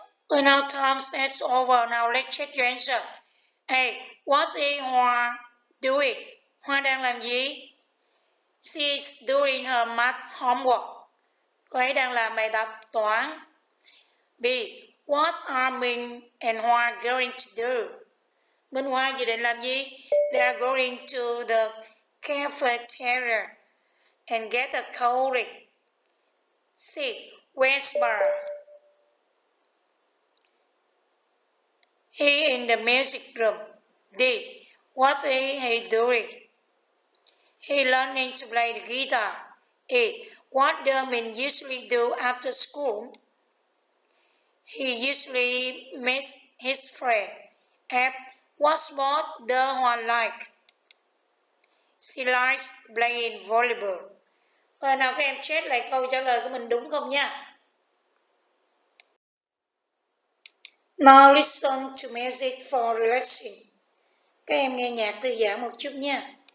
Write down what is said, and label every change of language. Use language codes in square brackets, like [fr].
[en] Now time sets over. Now let's check your answer. A. What's he Hoa doing? [vi] Hoa đang làm gì? [en] She's doing her math homework. [vi] Cô ấy đang làm bài tập toán. [en] B. What are Minh and Hoa going to do? [vi] Minh Hoa dự định làm gì? [en] They are going to the cafeteria and get a cold drink. C. Where's Bar? He in the music room. D. What is he doing? He learning to play the guitar. E. What does Min usually do after school? He usually meets his friend. F. What sport does Hoa like? She likes playing volleyball. [vi] Rồi nào các em check lại câu trả lời của mình đúng không nha? [en] Now listen to music for relaxing. [vi] Các em nghe nhạc thư giãn một chút nha.